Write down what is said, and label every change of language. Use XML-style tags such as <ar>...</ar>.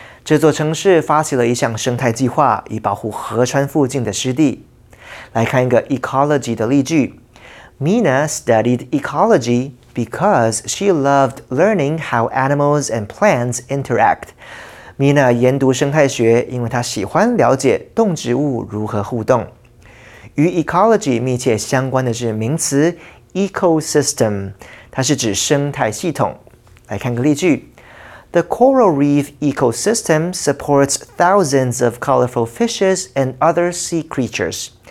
<zh>这座城市发起了一项生态计划，以保护河川附近的湿地。来看一个 ecology 的例句 ：</zh> <en>Mina studied ecology。 Because she loved learning how animals and plants interact.</en> <zh>Mina 研读生态学，因为她喜欢了解动植物如何互动。与 ecology 密切相关的是名词 ecosystem， 它是指生态系统。来看个例句</zh> <en>：The coral reef ecosystem supports thousands of colorful fishes and other sea creatures.</en>